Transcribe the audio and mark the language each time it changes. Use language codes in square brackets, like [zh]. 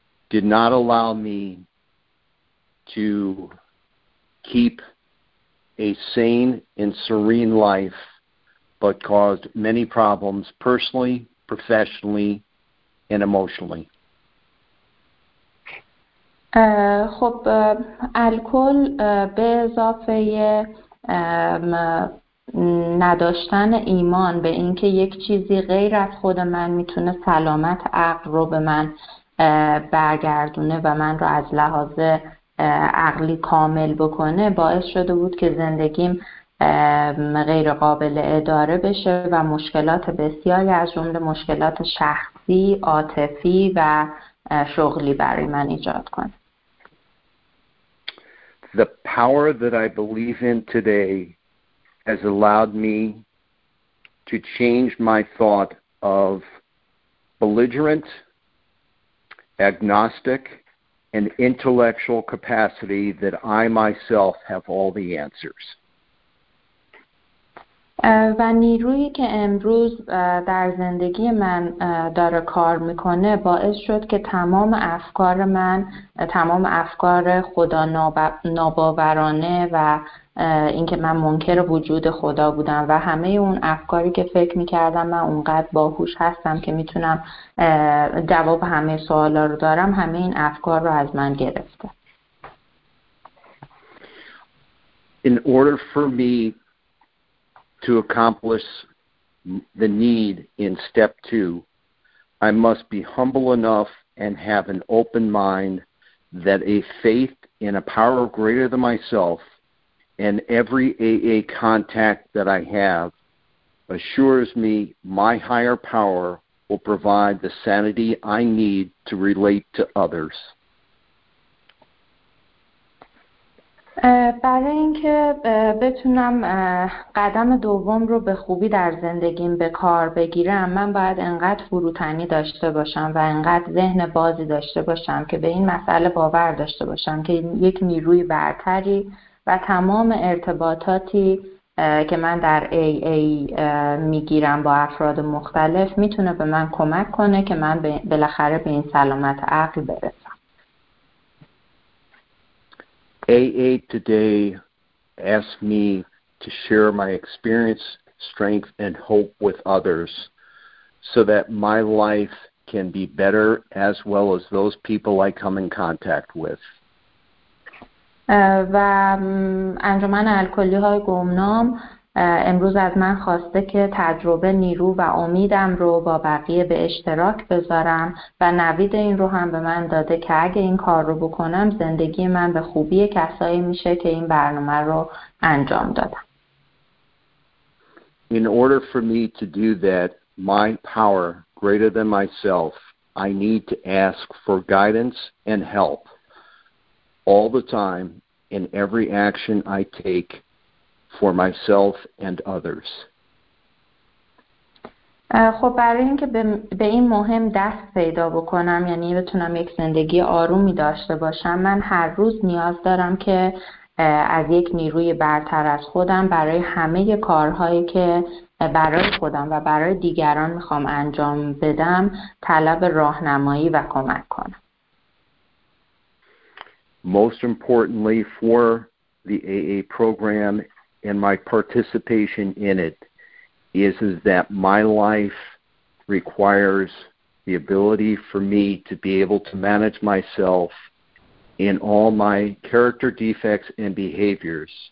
[en] did not allow me to keep a sane and serene life, but caused many problems personally, professionally, and emotionally. [fa] خب الکل به اضافه نداشتن ایمان به اینکه یک چیزی غیر از خود من میتونه سلامت عقل رو به من برگردونه و من رو از لحاظ عقلی کامل بکنه باعث شده بود که زندگیم غیر قابل اداره بشه و مشکلات بسیاری از جمله مشکلات شخصی، عاطفی و شغلی برای من ایجاد کنه. [en] The power that I believe in today has allowed me to change my thought of belligerent, agnostic, and intellectual capacity that I myself have all the answers. [fa] و نیرویی که امروز در زندگی من داره کار میکنه باعث شد که تمام افکار من، تمام افکار خدا ناباورانه و اینکه من منکر وجود خدا بودم و همه اون افکاری که فکر میکردم من اونقدر باهوش هستم که میتونم جواب همه سوالا رو دارم، همه این افکار رو از من گرفته. [en] In order for me to accomplish the need in step two, I must be humble enough and have an open mind that a faith in a power greater than myself and every AA contact that I have assures me my higher power will provide the sanity I need to relate to others. [fa] برای اینکه بتونم قدم دوم رو به خوبی در زندگیم به کار بگیرم، من باید انقدر فروتنی داشته باشم و انقدر ذهن بازی داشته باشم که به این مسئله باور داشته باشم که یک نیروی برتری و تمام ارتباطاتی که من در AA میگیرم با افراد مختلف میتونه به من کمک کنه که من بالاخره به این سلامت عقل برسم. [en] AA today asked me to share my experience, strength, and hope with others so that my life can be better as well as those people I come in contact with. [fa] و انجمن الکلی‌های گمنام امروز از من خواسته که تجربه، نیرو و امیدم رو با بقیه به اشتراک بذارم و نوید این رو هم به من داده که اگه این کار رو بکنم زندگی من به خوبی کسایی میشه که این برنامه رو انجام دادم. [en] In order for me to do that, my power greater than myself, I need to ask for guidance and help all the time in every action I take for myself and others. [fa] خب برای اینکه به این مهم دست پیدا بکنم، یعنی بتونم یک زندگی آرومی داشته باشم، من هر روز نیاز دارم که از یک نیروی برتر از خودم برای همه کارهایی که برای خودم و برای دیگران میخوام انجام بدم طلب راهنمایی و کمک کنم. [en] Most importantly for the AA program and my participation in it is that my life requires the ability for me to be able to manage myself in all my character defects and behaviors.